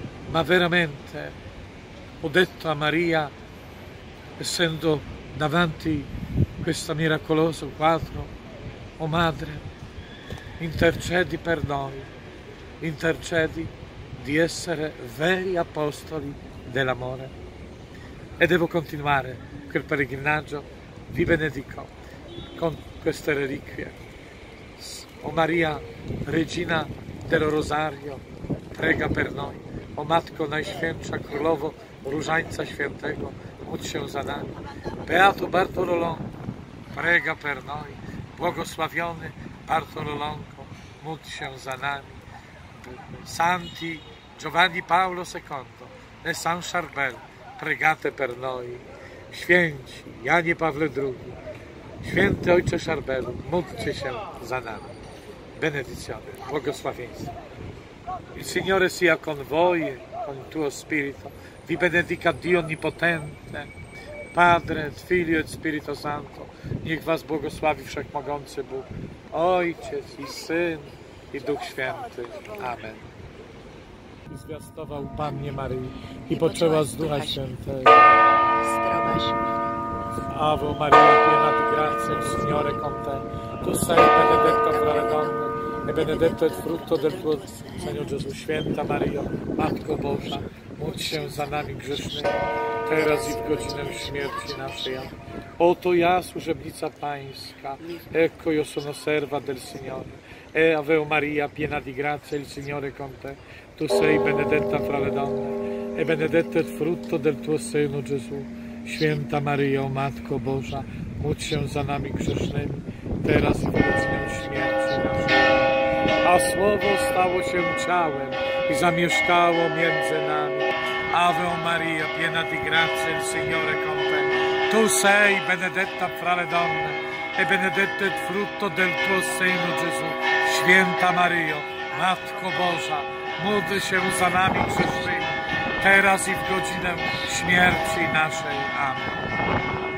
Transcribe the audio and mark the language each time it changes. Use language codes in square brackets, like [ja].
[it] Ma veramente, ho detto a Maria, essendo davanti questo miracoloso quadro, o Madre, intercedi per noi, intercedi di essere veri apostoli dell'amore. E devo continuare quel pellegrinaggio, vi benedico con queste reliquie. O Maria, Regina del Rosario, prega per noi. [pl] O Matko Najświętsza Królowo Różańca Świętego, módl się za nami. [it] Beato Bartolongo, prega per noi. [pl] Błogosławiony Bartolongo, módl się za nami. [it] Santi Giovanni Paolo II e San Charbel, pregate per noi. [pl] Święci Janie Pawle II, święty Ojcze Charbelu, módlcie się za nami. [it] Benedizione, [pl] błogosławieństwo. [it] Il Signore sia con voi, con il tuo spirito. Vi benedica Dio Onnipotente, Padre, Figlio e Spirito Santo. [pl] Niech was błogosławi Wszechmogący Bóg, Ojciec i Syn i Duch Święty. Amen. Zwiastował Pannie Maryi i poczęła z Ducha Świętego. Zdrowaś, [it] Ave Maria, piena di grazia, Signore con te. Tu sei benedetta fra le donne e benedetto è il frutto del tuo seno, Gesù. [pl] Święta Maria, Matko Boża, módl się za nami grzesznymi, teraz i w godzinę śmierci naszej. Oto ja, służebnica Pańska, [it] ecco io sono serva del Signore. E Ave Maria, piena di grazia, il Signore con te. Tu sei benedetta fra le donne e benedetto è il frutto del tuo seno, Gesù. [pl] Święta Maria, o Matko Boża, módl się za nami grzesznymi, teraz i w godzinę śmierci naszej. A Słowo stało się ciałem i zamieszkało między nami. [it] Ave Maria, piena di grazia, il Signore con te. Tu sei benedetta fra le donne e benedetto è il frutto del tuo seno, Gesù. [pl] Święta Maria, Matko Boża, módl się za nami grzesznymi, teraz i w godzinę śmierci naszej. Amen.